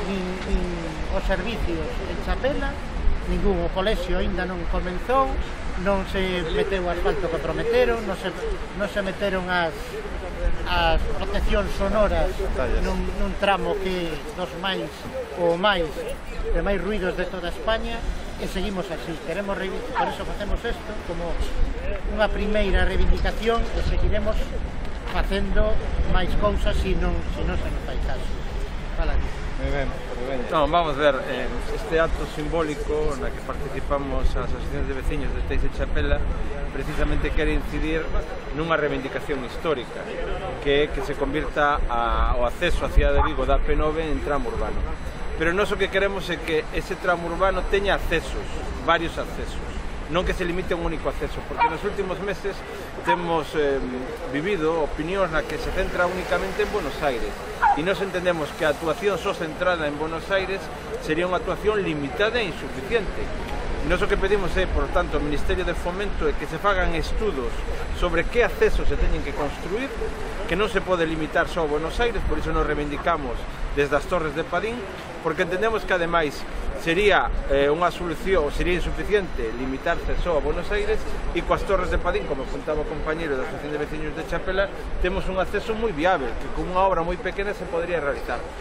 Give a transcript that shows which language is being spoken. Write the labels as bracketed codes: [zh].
[gl] Nin os servizos en Chapela, ningún, o colexio aínda non comenzou, non se meteu o asfalto que prometeron, non se meteron as proteccións sonoras nun tramo que dos máis ou máis de máis ruidos de toda España, e seguimos así. Queremos reivindicar, por iso facemos isto como unha primeira reivindicación, e seguiremos facendo máis cousas se non se nos fai caso. Fala aquí. [es] Muy bien. No, vamos a ver, este acto simbólico en el que participamos las asociaciones de vecinos de Teis de Chapela precisamente quiere incidir en una reivindicación histórica, que se convierta o acceso a Ciudad de Vigo da P9 en tramo urbano. Pero no, lo que queremos es que ese tramo urbano tenga accesos, varios accesos, no que se limite a un único acceso, porque en los últimos meses hemos vivido opiniones en las que se centra únicamente en Buenos Aires. [gl] Y nos entendemos que a actuación só centrada en Buenos Aires sería unha actuación limitada e insuficiente. Nos o que pedimos é, por tanto, o Ministerio de Fomento é que se fagan estudos sobre que accesos se teñen que construir, que non se pode limitar só a Buenos Aires, por iso nos reivindicamos desde as Torres de Padín, porque entendemos que, ademais, sería unha solución, ou sería insuficiente limitarse só a Buenos Aires, e coas Torres de Padín, como apuntaba o compañero da Asociación de Veciños de Chapela, temos un acceso moi viable, que con unha obra moi pequena se podría realizar.